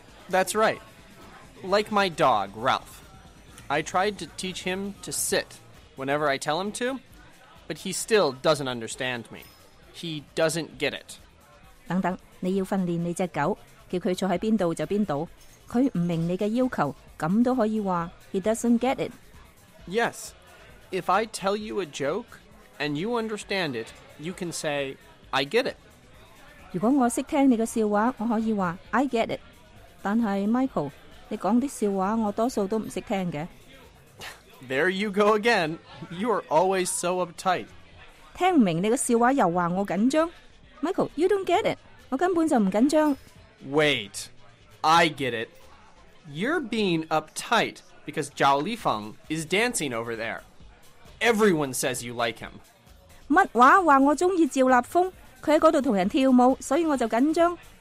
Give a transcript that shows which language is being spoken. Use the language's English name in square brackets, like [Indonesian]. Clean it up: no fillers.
[English] ？That's right. Like my dog Ralph. I tried to teach him to sit whenever I tell him to, but he still doesn't understand me. He doesn't get it. [Cantonese] 等等，你要训练你只狗，叫佢坐喺边度就边度。佢唔明你嘅要求，咁都可以话 [English] he doesn't get it. Yes, if I tell you a joke and you understand it, you can say I get it. [Cantonese] 如果我识听你嘅笑话，我可以话 [English] I get it. [Cantonese] 但系 Michael。你讲啲笑话，我多数都唔识听嘅。 [English] There you go again. You are always so uptight. [Cantonese] 听唔明你个笑话，又话我紧张。 [English] Michael, you don't get it. [Cantonese] 我根本就唔紧张。 [English] Wait, I get it. You're being uptight because Zhao Lifeng is dancing over there. Everyone says you like him. [Cantonese] 乜话话我中意赵立峰？佢喺嗰度同人跳舞，所以我就紧张。